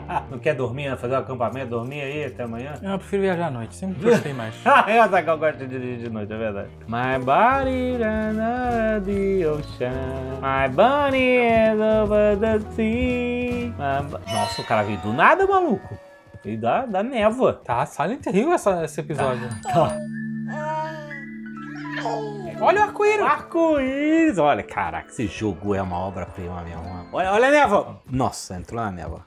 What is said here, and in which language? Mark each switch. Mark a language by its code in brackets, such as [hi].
[pt] Não quer dormir, fazer um acampamento? Dormir aí até amanhã? Eu prefiro viajar à noite, sempre gostei mais. Eu acho que eu gosto de dirigir de noite, é verdade. [en] My body is under the ocean. My body is over the sea. [pt] Nossa, o cara veio do nada, maluco. Veio da névoa. Tá Silent Hill esse episódio. Tá. Olha o arco-íris! Arco-íris! Olha, caraca, esse jogo é uma obra-prima mesmo. Olha a névoa! Nossa, entrou na névoa.